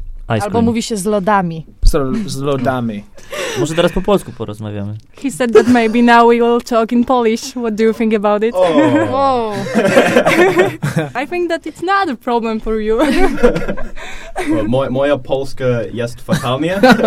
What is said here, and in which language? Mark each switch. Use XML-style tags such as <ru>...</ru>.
<en>Ice cream.</en> <pl>Albo mówi się z lodami. Z lodami. Może teraz po polsku porozmawiamy.</pl> <en>He said that maybe now we will talk in Polish. What do you think about it? Oh. Whoa. I think that it's not a problem for you.</en> <pl>Well, moja polska jest fatalnia.</pl>